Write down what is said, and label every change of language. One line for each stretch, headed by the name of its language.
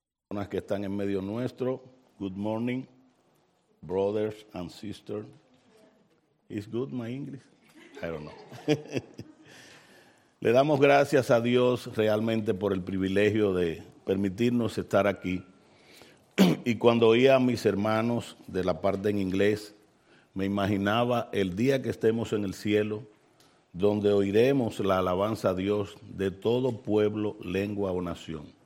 Spanish: personas que están en medio nuestro.
English: Good morning, brothers and sisters. Is good my English? I don't know.
Spanish: Le damos gracias a Dios realmente por el privilegio de permitirnos estar aquí. Y cuando oía a mis hermanos de la parte en inglés, me imaginaba el día que estemos en el cielo, donde oiremos la alabanza a Dios de todo pueblo, lengua o nación.